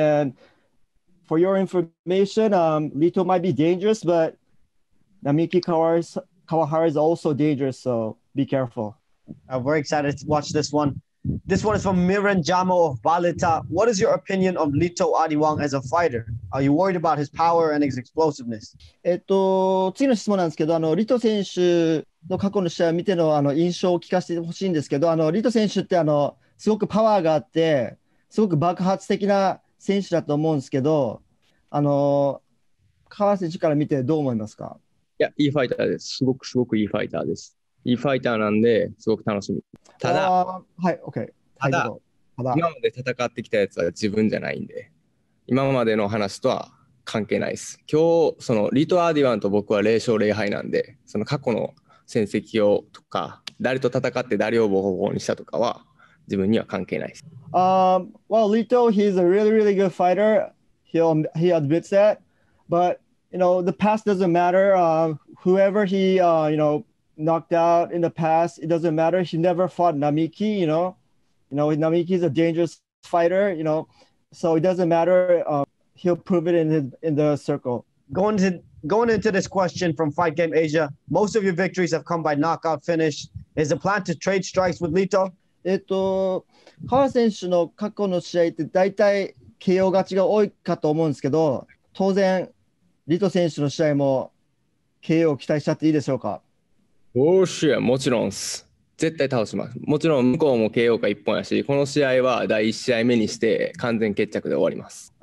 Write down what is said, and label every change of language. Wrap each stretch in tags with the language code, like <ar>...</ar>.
<en>And for your information, Lito might be dangerous, but Namiki Kawahara is also dangerous. So be careful. I'm very excited to watch this one. This one is from Miran Jamo of Balita. What is your opinion of Lito Adiwan as a fighter? Are you worried about his power and his explosiveness?</en> <ja>次の質問なんですけど、リト選手の過去の試合を見て の印象を聞かせてほしいんですけど、リト選手ってすごくパワーがあって、すごく爆発的な選手だと思うんですけど、川瀬選手から見てどう思いますか？いや、いいファイターです。すごくすごくいいファイターです。いいファイターなんで、すごく楽しみ。ただ、はい、OK。ただ、今まで戦ってきたやつは自分じゃないんで、今までの話とは関係ないです。今日、そのリト・アーディワンと僕は0勝0敗なんで、その過去の戦績をとか、誰と戦って誰をボコボコにしたとかは、自分には関係ないです。</ja> <en>Well, Lito, he's a really, really good fighter. He admits that. But, you know, the past doesn't matter. Whoever he, you know,knocked out in the past, it doesn't matter. He never fought Namiki, you know, Namiki is a dangerous fighter, you know, so it doesn't matter. He'll prove it in the circle. Going into this question from Fight Game Asia, most of your victories have come by knockout finish. Is the plan to trade strikes with Lito?</en> <ja>川選手の過去の試合って大体 KO 勝ちが多いかと思うんですけど、当然Lito選手の試合も KO を期待しちゃっていいでしょうか？おーしや、もちろんっす。絶対倒します。もちろん向こうも KO か一本やし、この試合は第一試合目にして完全決着で終わります。</ja>